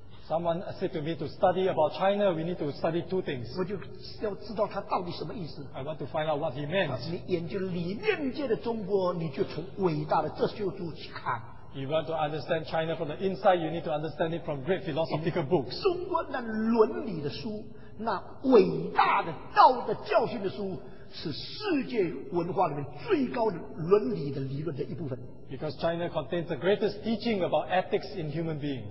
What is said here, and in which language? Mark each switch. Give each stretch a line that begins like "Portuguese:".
English: Someone said to me, to study about China, we need to study two things.
Chinese: 我就要知道他到底什么意思。
English: I want to find out what he meant.
Chinese: 你研究里面界的中国，你就从伟大的哲学著去看。
English: You want to understand China from the inside, you need to understand it from great philosophical books.
Chinese: 中国那伦理的书，那伟大的道德教训的书。是世界文化里面最高的伦理的理论的一部分。
English: Because China contains the greatest teaching about ethics in human beings.